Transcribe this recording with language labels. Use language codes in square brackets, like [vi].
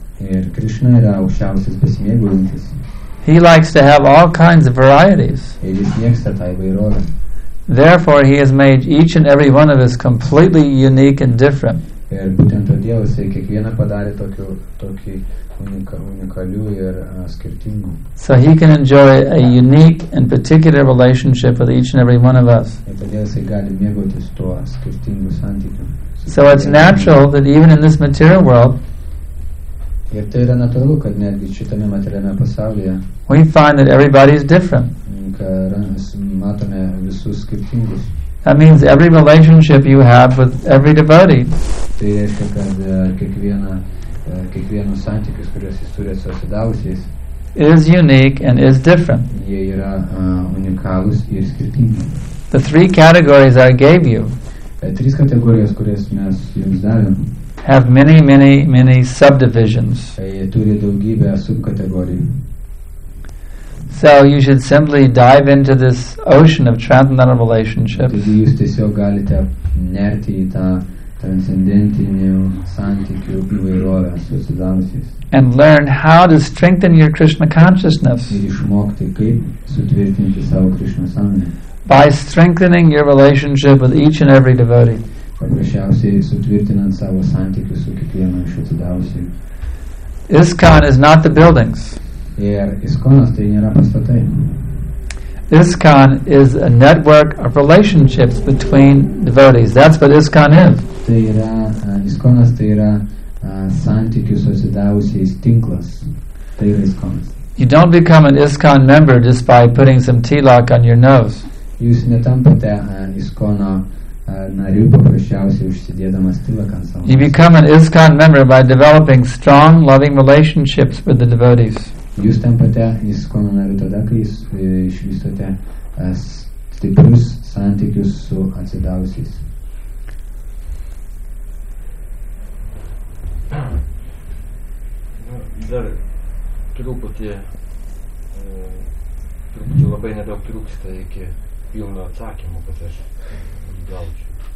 [lt] Ir Krishna yra aukščiausias besimėgaujantis. [en] He likes to have all kinds of varieties. [lt] Ir jis mėgsta tą įvairovę. [en] Therefore, he has made each and every one of us completely unique and different. [lt] Ir būtent todėl jis kiekvieną padarė tokį unikalių ir skirtingų. [en] So he can enjoy a unique and particular relationship with each and every one of us. [lt] Ir todėl jis gali mėgautis tuo skirtingu santykiu. [en] So it's natural that even in this material world, [lt] ir tai yra natūralu, kad netgi šitame materialiame pasaulyje, [en] we find that everybody is different. [lt] Matome visus skirtingus. [en] That means every relationship you have with every devotee, [lt] tai reiškia, kad kiekvienas santykis, kuris jis turi su atsidavusiais, [en] is unique and is different. [lt] Jie yra unikalūs ir skirtingi. [en] The three categories I gave you, [lt] trys kategorijos, kurias mes jums davėm, [en] have many, many, many subdivisions. [lt] Jie turi daugybę subkategorijų. [en] So you should simply dive into this ocean of transcendental relationships. [lt] Taigi jūs tiesiog galite nerti į tą transcendentinių santykių įvairovę su atsidavusiais. [en] And learn how to strengthen your Krishna consciousness. [lt] Ir išmokti, kaip sutvirtinti savo Krishna sąmonę. [en] By strengthening your relationship with each and every devotee. [lt] Paprasčiausiai sutvirtinant savo santykius su kiekvienu iš atsidavusių. [en] ISKCON is not the buildings. [lt] Ir ISKCONas tai nėra pastatai. [en] ISKCON is a network of relationships between devotees. That's what ISKCON is. [lt] Tai yra, ISKCONas tai yra santykius su atsidavusiais tinklas. Tai yra ISKCONas. [en] You don't become an ISKCON member just by putting some tilak on your nose. [lt] Jūs netampate ISKCONo narių paprasčiausiai užsidėdamas tilak ant savo. [en] You become an ISKCON member by developing strong, loving relationships with the devotees. [lt] Jūs tampate ISKCONo nariu tada, kai jūs išvystote stiprius santykius su atsidavusiais. Dar truputį, truputį labai nedaug trūksta iki pilno atsakymo, kad aš gaučiu.